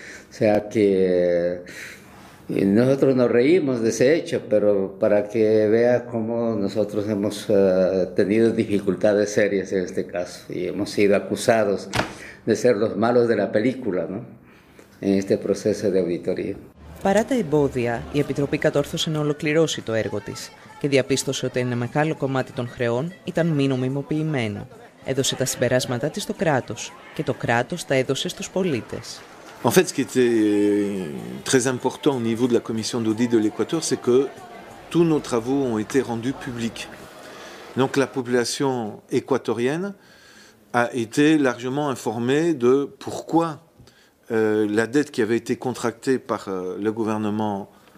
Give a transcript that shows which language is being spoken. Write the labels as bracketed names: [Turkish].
[Spanish] O sea que nosotros nos reímos de ese hecho, pero para que vea cómo nosotros hemos tenido dificultades serias en este caso y hemos sido acusados de ser los malos de la película, ¿no? En este proceso de auditoría. [Greek] Παρά τα εμπόδια, η Επιτροπή κατόρθωσε να ολοκληρώσει το έργο της και διαπίστωσε ότι ένα μεγάλο κομμάτι των χρεών ήταν μη νομιμοποιημένο. Έδωσε τα συμπεράσματά της στο κράτος και το κράτος τα έδωσε στους πολίτες. [French] En fait, ce qui était très important au niveau de la commission d'audit de l'Équateur, c'est que tous nos travaux ont été rendus publics. Donc la population équatorienne a été largement informée de pourquoi la dette qui avait été contractée par le gouvernement